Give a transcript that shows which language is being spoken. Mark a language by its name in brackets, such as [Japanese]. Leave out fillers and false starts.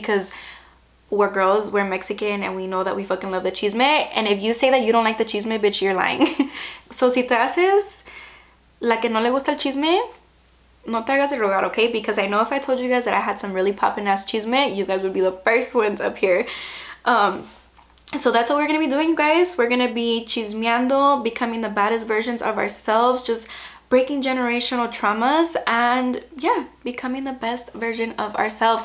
[English] Because we're girls, we're Mexican, and we know that we fucking love the chisme. And if you say that you don't like the chisme, bitch, you're lying. [Spanish] So si te haces la que no le gusta el chisme, no te hagas el rogar, okay? [English] Because I know if I told you guys that I had some really popping ass chisme, you guys would be the first ones up here. So that's what we're gonna be doing, you guys. We're gonna be chismeando, becoming the baddest versions of ourselves, just breaking generational traumas, and yeah, becoming the best version of ourselves.